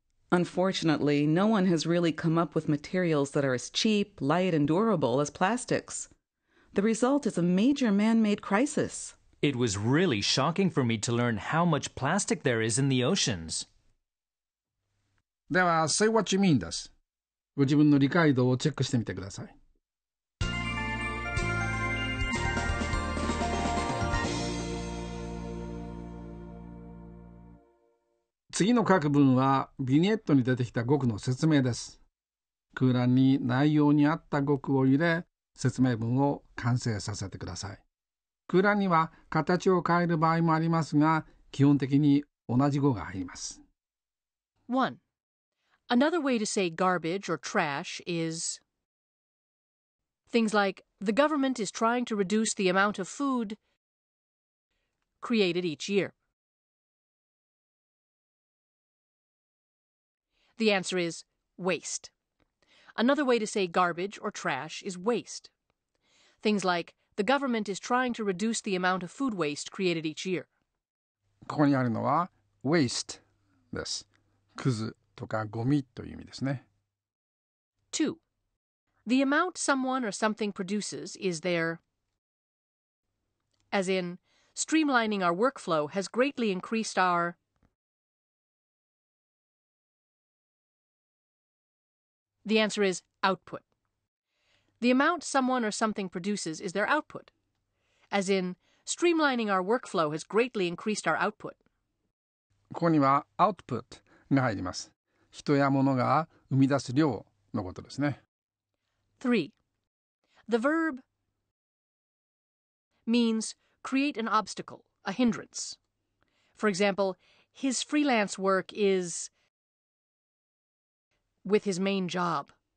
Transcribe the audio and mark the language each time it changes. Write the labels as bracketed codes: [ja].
[en] Unfortunately, no one has really come up with materials that are as cheap, light, and durable as plastics. The result is a major man-made crisis. It was really shocking for me to learn how much plastic there is in the oceans. [ja] では、say what you mean です。ご自分の理解度をチェックしてみてください。次の各文は、ビニエットに出てきた語句の説明です。空欄に内容に合った語句を入れ、説明文を完成させてください。空欄には形を変える場合もありますが、基本的に同じ語が入ります。 [en] 1. Another way to say garbage or trash is things like the government is trying to reduce the amount of food created each year. The answer is waste. Another way to say garbage or trash is waste. Things like, the government is trying to reduce the amount of food waste created each year. [ja] ここにあるのは、waste です。クズとかゴミという意味ですね。 [en] 2. The amount someone or something produces is their... As in, streamlining our workflow has greatly increased our... The answer is output. The amount someone or something produces is their output. As in, streamlining our workflow has greatly increased our output. [ja] ここには output が入ります。人や物が生み出す量のことですね。 [en] 3. The verb means create an obstacle, a hindrance. For example, his freelance work is with his main job.